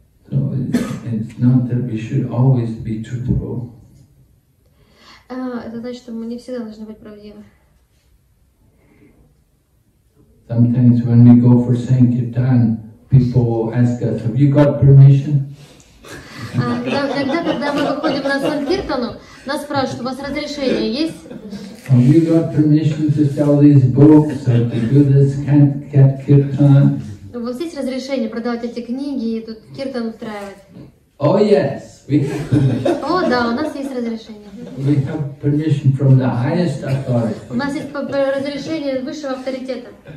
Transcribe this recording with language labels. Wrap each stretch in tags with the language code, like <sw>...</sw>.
<en>So it's not that we should always be truthful.</en> <ru>Это значит, что мы не всегда должны быть правдивы.</ru> <en>Sometimes when we go for Sankirtan, people ask us, have you got permission?</en> <ru>Когда мы выходим на Санкиртану, нас спрашивают, у вас разрешение есть?</ru> <en>Have you got permission to sell these books or to do this Kirtan?</en> <ru>У вас есть разрешение продавать эти книги и тут Киртан устраивать?</ru> <en>Oh yes!</en> <ru>О, да, у нас есть разрешение.</ru> <en>We have permission from the highest authority.</en> <ru>У нас есть разрешение высшего авторитета.</ru>